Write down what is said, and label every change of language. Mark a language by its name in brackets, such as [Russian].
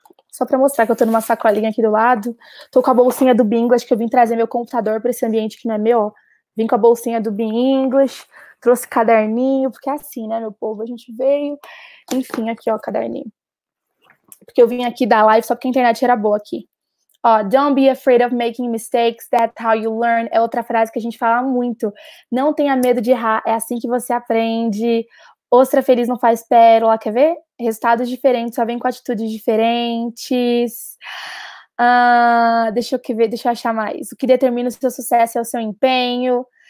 [Portuguese] Só pra mostrar que eu tô numa sacolinha aqui do lado. Tô com a bolsinha do Binglish, que eu vim trazer meu computador pra esse ambiente que não é meu, ó. Vim com a bolsinha do Binglish. Trouxe caderninho, porque é assim, né, meu povo? A gente veio. Enfim, aqui, ó, caderninho. Porque eu vim aqui dar live só porque a internet era boa aqui. Ó, [English] don't be afraid of making mistakes, that's how you learn. [Portuguese] É outra frase que a gente fala muito. Não tenha medo de errar, é assim que você aprende. Ostra feliz não faz pérola, quer ver? Resultados diferentes, só vem com atitudes diferentes. Deixa eu achar mais. O que determina o seu sucesso é o seu empenho.